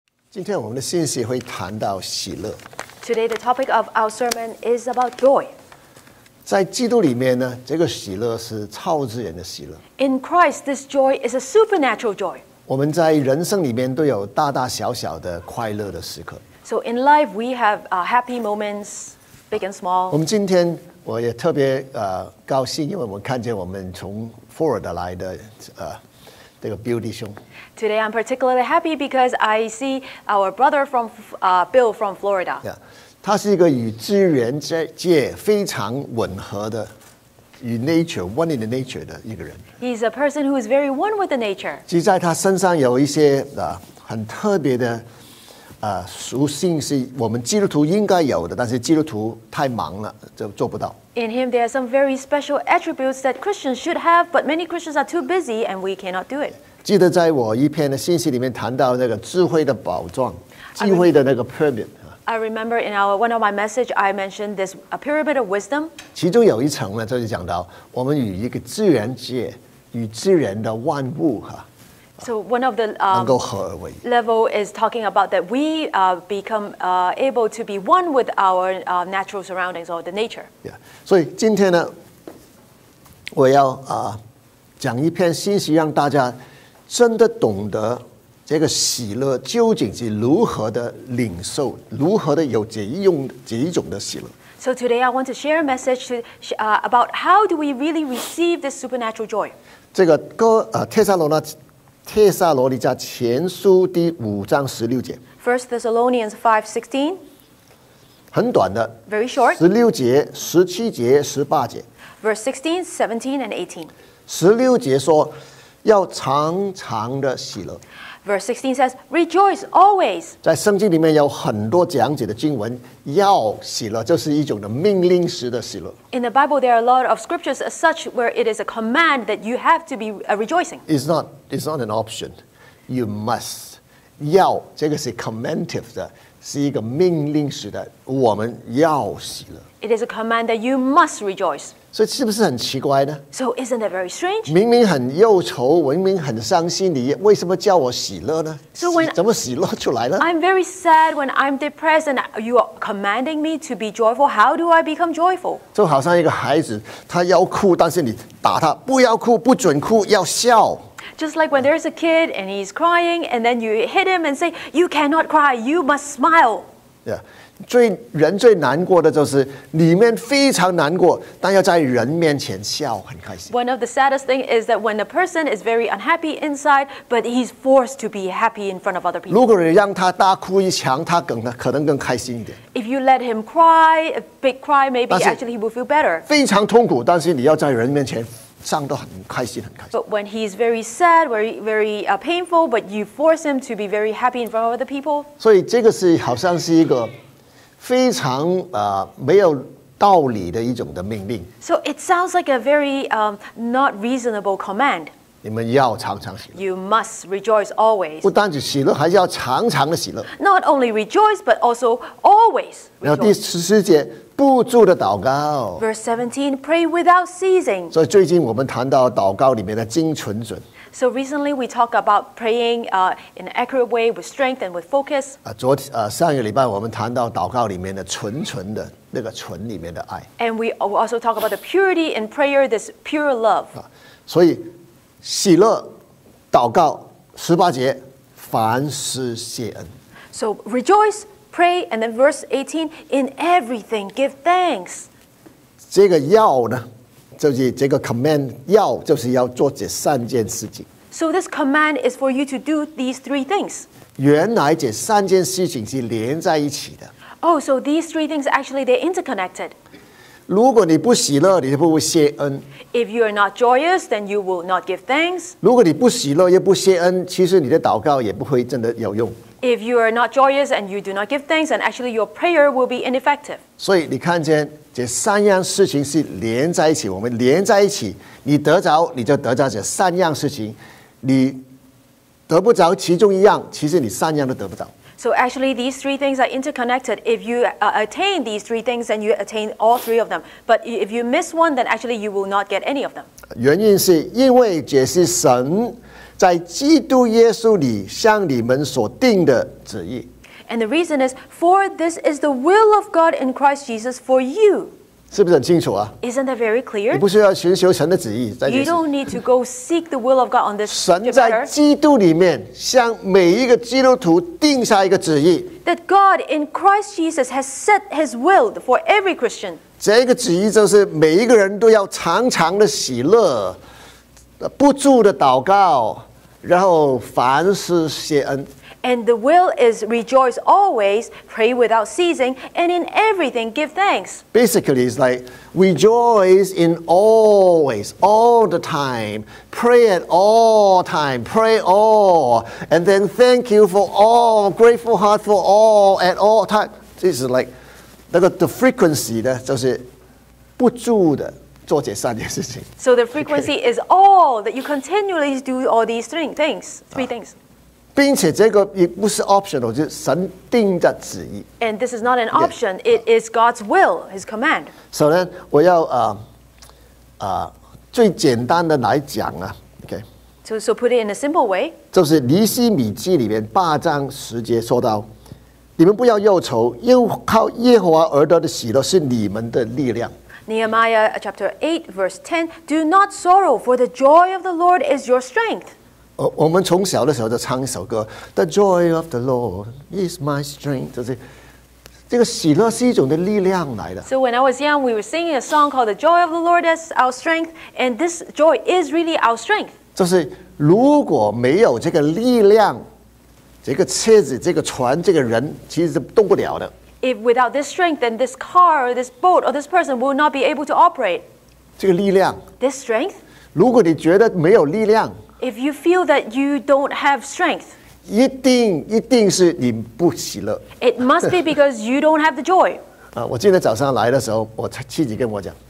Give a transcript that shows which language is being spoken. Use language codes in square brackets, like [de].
[zh] 今天我们的信息会谈到喜乐。 [en] Today the topic of our sermon is about joy. [zh] 在基督里面呢，这个喜乐是超自然的喜乐。 [en] In Christ, this joy is a supernatural joy. [zh] 我们在人生里面都有大大小小的快乐的时刻。 [en] So in life, we have happy moments, big and small. [zh] 我们今天我也特别高兴，因为我们看见我们从佛罗里达来的这个 Bill 弟兄。 [en] Today I'm particularly happy because I see our brother from Bill from Florida. [zh] Yeah, 他是一个与自然界非常吻合的，与 [en] nature one in the nature [zh] 的一个人。 [en] He's a person who is very one with the nature. [zh] 其实在他身上有一些很特别的属性，是我们基督徒应该有的，但是基督徒太忙了就做不到。 [en] In him, there are some very special attributes that Christians should have, but many Christians are too busy and we cannot do it. [zh] 记得在我一篇的信息里面谈到那个智慧的宝藏，智慧的那个 pyramid. [en] I remember in one of my messages, I mentioned this a pyramid of wisdom. [zh] 其中有一层呢，就是讲到我们与一个自然界，与自然的万物 [en] So one of the level is talking about that we become able to be one with our natural surroundings or the nature. Yeah. [zh] 所以今天呢，我要讲一篇信息，让大家真的懂得这个喜乐究竟是如何的领受，如何的有这一种的喜乐。 [en] So today I want to share a message to, about how do we really receive this supernatural joy. [zh] 这个帖撒罗尼迦帖撒罗尼迦前书第五章十六节 [en] First Thessalonians 5:16 [zh] 很短的 [en] Very short [zh] 十六节十七节十八节 [en] Verse 16, 17 and 18 [zh] 十六节说要常常的喜乐 [en] Verse 16 says Rejoice always [zh] 在圣经里面有很多讲解的经文要喜乐就是一种的命令式的喜乐 [en] In the Bible there are a lot of scriptures such where it is a command that you have to be rejoicing It's not an option. You must. [zh] 要这个是 commandative 的，是一个命令式的。我们要喜乐。 [en] It is a command that you must rejoice. [zh] 所以是不是很奇怪呢 [en] ？So isn't it very strange? [zh] 明明很忧愁，明明很伤心，你为什么叫我喜乐呢 [en] ？So when [zh] 怎么喜乐出来呢 [en] ？I'm very sad when I'm depressed, and you are commanding me to be joyful. How do I become joyful? [zh] 就好像一个孩子，他要哭，但是你打他，不要哭，不准哭，要笑。 [en] Just like when there's a kid and he's crying, and then you hit him and say, "You cannot cry. You must smile." [zh] Yeah, 最人最难过的就是里面非常难过，但要在人面前笑很开心。 [en] One of the saddest things is that when a person is very unhappy inside, but he's forced to be happy in front of other people. [zh] 如果你让他大哭一场，他可能更开心一点。 [en] If you let him cry a big cry, maybe actually he will feel better. [zh] 非常痛苦，但是你要在人面前。上都很开心，很开心。 [en] But when he's very sad, very, very painful, but you force him to be very happy in front of other people. [zh] 所以这个是好像是一个非常没有道理的一种的命令。 [en] So it sounds like a very not reasonable command. [zh] 你们要常常喜乐。 [en] You must rejoice always. [zh] 不单只喜乐，还是要常常的喜乐。 [en] Not only rejoice, but also always. [zh] 然后第十四节。不住的祷告 [en] Verse 17, pray without ceasing. [zh] 所以最近我们谈到祷告里面的精纯准 [en] So recently we talked about praying in an accurate way with strength and with focus. [zh] 上一个礼拜我们谈到祷告里面的纯纯的那个纯里面的爱 [en] And we also talked about the purity in prayer, this pure love. [zh] 所以喜乐祷告十八节凡事谢恩 [en] So rejoice. Pray, and then verse 18, in everything, give thanks. [zh] 这个要呢，就是这个 command, 要就是要做这三件事情。 [en] So this command is for you to do these three things. [zh] 原来这三件事情是连在一起的。 [en] Oh, so these three things, actually, they're interconnected. [zh] 如果你不喜乐，你就不会谢恩。 [en] If you are not joyous, then you will not give thanks. [zh] 如果你不喜乐，也不谢恩，其实你的祷告也不会真的有用。 [en] If you are not joyous and you do not give thanks, then actually your prayer will be ineffective. [zh] 所以你看见这三样事情是连在一起，我们连在一起，你得着你就得着这三样事情，你得不着其中一样，其实你三样都得不着。 [en] So actually these three things are interconnected. If you attain these three things, then you attain all three of them. But if you miss one, then actually you will not get any of them. [zh] 原因是因为这是神在基督耶稣里向你们所定的旨意。 [en] And the reason is, for this is the will of God in Christ Jesus for you. [zh] 是不是很清楚啊？ [en] Isn't that very clear? [zh] 你不需要寻求神的旨意。 [en] You don't need to go seek the will of God on this matter. [zh] 神在基督里面向每一个基督徒定下一个旨意。 [en] That God in Christ Jesus has set his will for every Christian. [zh] 这个旨意就是每一个人都要常常的喜乐。不住的祷告，然后凡事谢恩。 [en] And the will is rejoice always, pray without ceasing, and in everything give thanks. Basically, it's like rejoice in always, all the time, pray at all time, pray all, and then thank you for all, grateful heart for all, at all time. This is like [zh] 那个 [en] the frequency [zh] 的，就是不住的。 [en] So the frequency is all that you continually do all these three things. [zh] 并且这个也不是 optional, 就是神定的旨意。 [en] And this is not an option, it is God's will, His command. So then, [zh] 我要最简单的来讲啊, okay? [en] So put it in a simple way. [zh] 就是尼希米记里面八章十节说到，你们不要忧愁，因靠耶和华而得的喜乐是你们的力量。 [en] Nehemiah chapter 8 verse 10, do not sorrow, for the joy of the Lord is your strength. [zh] 我们从小的时候就唱一首歌， [en] The joy of the Lord is my strength. [zh] 就是这个喜乐是一种的力量来的。 [en] So when I was young, we were singing a song called The joy of the Lord is our strength, and this joy is really our strength. [zh] 就是如果没有这个力量，这个车子，这个船，这个人其实是动不了的。 [en] If without this strength, then this car, or this boat, or this person will not be able to operate. [zh] 这个力量, [en] this strength. [zh] 如果你觉得没有力量, [en] if you feel that you don't have strength, [zh] 一定是你不喜乐, [en] it must be because you don't have the joy. [zh] 我今天早上来的时候, 我妻子跟我讲,